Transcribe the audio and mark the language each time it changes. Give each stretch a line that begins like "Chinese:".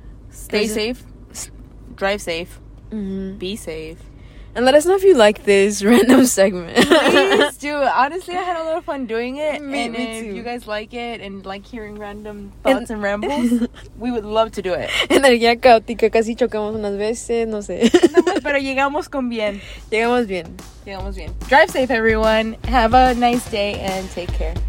English: Stay safe. Drive safe. Mm-hmm. Be safe. And let us know if you like this random segment. Please do. Honestly, I had a lot of fun doing it. Me too. If you guys like it and like hearing random thoughts and rambles, we would love to do it.
Spanish: Energía caótica, casi chocamos unas veces, no sé. Pero llegamos con bien. Llegamos bien. Llegamos bien.
English: Drive safe, everyone. Have a nice day and take care.